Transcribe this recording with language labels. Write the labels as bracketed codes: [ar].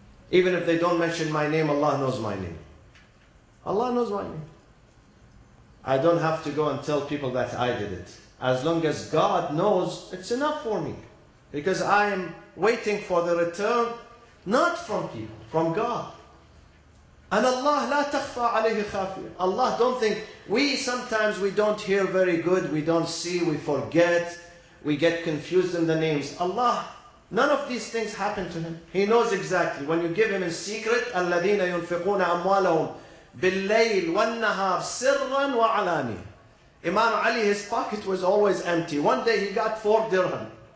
[en] Even if they don't mention my name, Allah knows my name. Allah knows my name. I don't have to go and tell people that I did it. As long as God knows, it's enough for me. Because I am waiting for the return, not from people, from God. [ar] And Allah لا تخفى عليه خافية. [en] Allah don't think, we sometimes we don't hear very good, we don't see, we forget, we get confused in the names. Allah, none of these things happen to him. He knows exactly. When you give him in secret, [ar] الَّذِينَ يُنفِقُونَ أَمْوَالَهُمْ بِاللَّيْلِ وَالنَّهَارِ سِرًّا وَعَلَانِيًا. [en] Imam Ali, his pocket was always empty. One day he got four dirham.